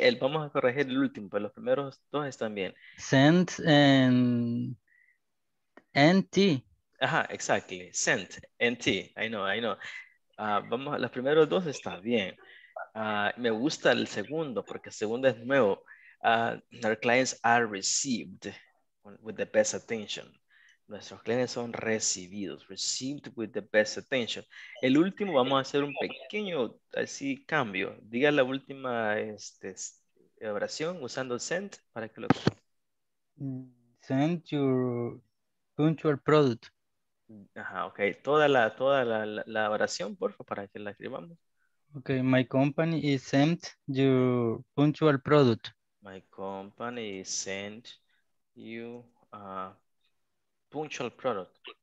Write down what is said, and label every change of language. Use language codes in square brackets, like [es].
[es] El vamos a corregir el último, pero los primeros dos están bien. [en] Sent and NT. [es] Ajá, [en] exactly. [es] Sent, NT. [en] I know. [es] Vamos, los primeros dos están bien. Me gusta el segundo porque el segundo es nuevo. [en] Our clients are received with the best attention. [es] Nuestros clientes son recibidos. [en] Received with the best attention. [es] El último vamos a hacer un pequeño así cambio. Diga la última oración usando sent para que lo. [en] Sent your punctual product. Ajá, okay. [es] Toda la oración, porfa, para que la escribamos. [en] Okay, my company is sent your punctual product. My company is sent you a punctual product.